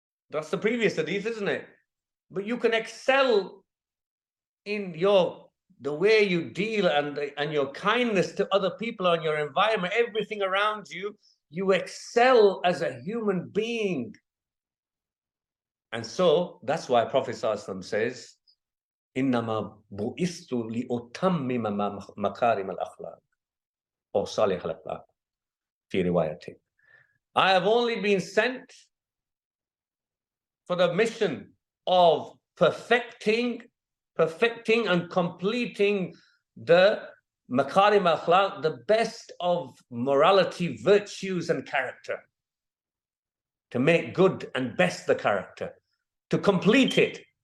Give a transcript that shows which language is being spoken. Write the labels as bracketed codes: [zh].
[en] That's the previous hadith, isn't it? But you can excel in the way you deal and your kindness to other people and your environment, everything around you. You excel as a human being. And so that's why Prophet says, [ar] إِنَّمَا بُعِثْتُ لِأُتَمِّمَ مَكَارِمَ الْأَخْلَاقِ أَوْ صَالِحَ الْأَخْلَاقِ فِي رِوَايَةٍ. [en] I have only been sent for the mission of perfecting and completing the makarim akhlaq, the best of morality, virtues and character, to make good and best the character, to complete it.